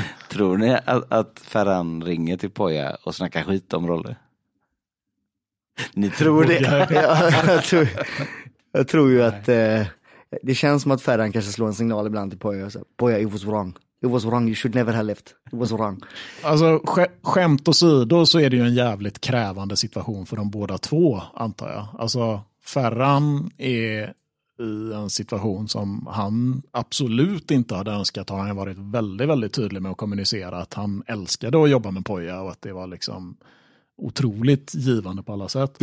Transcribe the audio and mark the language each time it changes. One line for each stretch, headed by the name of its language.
Swedish: tror ni att Ferran ringer till Poja och snackar skit om Rolle? Ni tror det? jag tror ju att... Det känns som att Ferran kanske slår en signal ibland till Poja.
English: Poja, it was wrong, you should never have left. It was wrong.
Swedish: Alltså, skämt åsido så är det ju en jävligt krävande situation för de båda två, antar jag. Alltså, Ferran är i en situation som han absolut inte hade önskat. Han har varit väldigt, väldigt tydlig med att kommunicera att han älskade att jobba med Poja och att det var liksom otroligt givande på alla sätt.